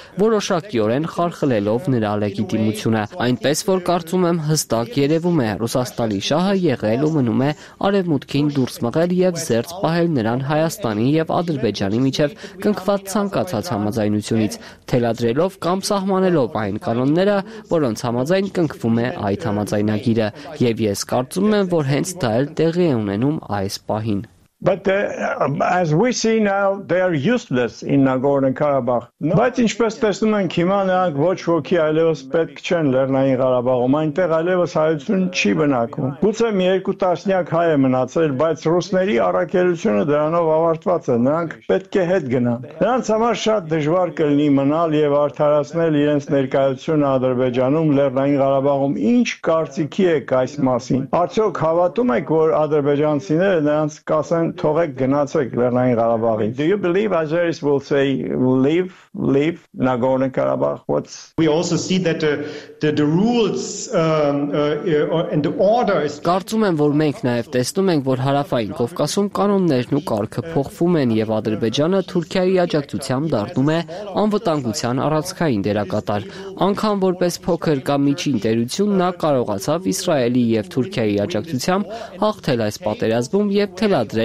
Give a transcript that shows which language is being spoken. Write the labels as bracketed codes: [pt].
[hy] որոշակիորեն խարխլելով նրա լեգիտիմությունը, այնպես որ կարծում եմ, հստակ երևում է, Ռուսաստանի շահը եղել ու մնում է արևմուտքին դուրս մղել եւ զերծ պահել նրան Հայաստանի եւ Ադրբեջանի միջև կնքված ցանկացած համաձայնությունից, թելադրելով կամ սահմանելով այն կանոնները, որոնց համաձայն կնքվում է այդ համաձայնագիրը, եւ ես կարծում եմ, որ հենց դա էլ տեղի է ունենում այս պահին։ [en] But as we see now, they are useless in Nagorno-Karabakh. [hy] Բայց ինչպես տեսնում ենք հիմա, նրանք ոչ ոքի այլևս պետք չեն Լեռնային Ղարաբաղում, այնտեղ այլևս հայություն չի բնակվում։ Գուցե մի երկու տասնյակ հայ է մնացել, բայց ռուսների առաքելությունը դրանով ավարտված է, նրանք պետք է հետ գնան։ Նրանց համար շատ դժվար կլինի մնալ եւ արդարացնել իրենց ներկայությունը Ադրբեջանում Լեռնային Ղարաբաղում։ Ինչ կարծիքի եք այս մասին։ Արդյոք հավատո՞ւմ եք, որ ադրբեջանցիները նրանց կաս թողեք գնացեք Լեռնային Ղարաբաղի։ [en] Do you believe Azeris will say leave Nagorno-Karabakh? We also see that the rules and the order is [hy] Կարծում եմ, որ մենք նաև տեսնում ենք, որ հարավային Կովկասում կանոններն ու կարգը փոխվում են եւ Ադրբեջանը Թուրքիայի աջակցությամբ դառնում է անվտանգության առանցքային դերակատար։ Անկամ որպես փոքր կամ միջին ներդրություն նա կարողացավ Իսրայելի եւ Թուրքիայի աջակցությամբ հաղթել այս պատերազմում եւ թելա